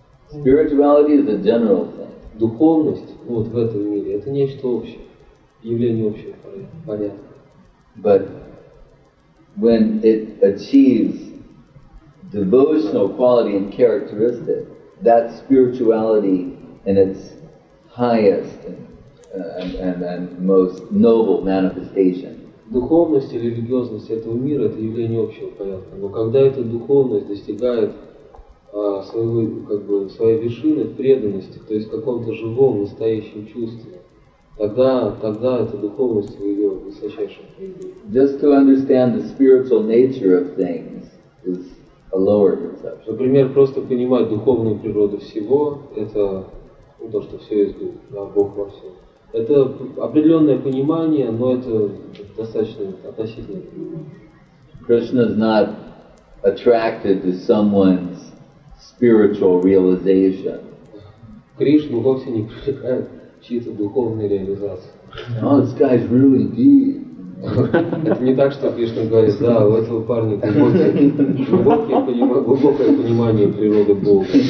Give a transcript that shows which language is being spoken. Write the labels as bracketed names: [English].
[English] Spirituality is a general thing. [Russian] Духовность вот в этом мире — это нечто общее, явление общего порядка. [English] But when it achieves devotional quality and characteristic, that spirituality in its highest and most noble manifestation. [Russian] Духовность и религиозность этого мира — это явление общего порядка. Но когда эта духовность достигает своей вершины в преданности, то есть в каком-то живом, настоящем чувстве, тогда эта духовность в ее высочайшем проявлении. [English] Just to understand the spiritual nature of things is a lower conception. [Russian] Например, просто понимать духовную природу всего, это то, что все есть Дух, да, Бог во всем. Это определенное понимание, но это достаточно относительное понимание. [English] Krishna is not attracted to someone's spiritual realization. [Russian] Кришна вовсе не привлекает чьи-то духовные реализации. [English] Oh, this guy is really deep. [Russian] Это не так, что Кришна говорит, да, у этого парня глубокое понимание природы Бога.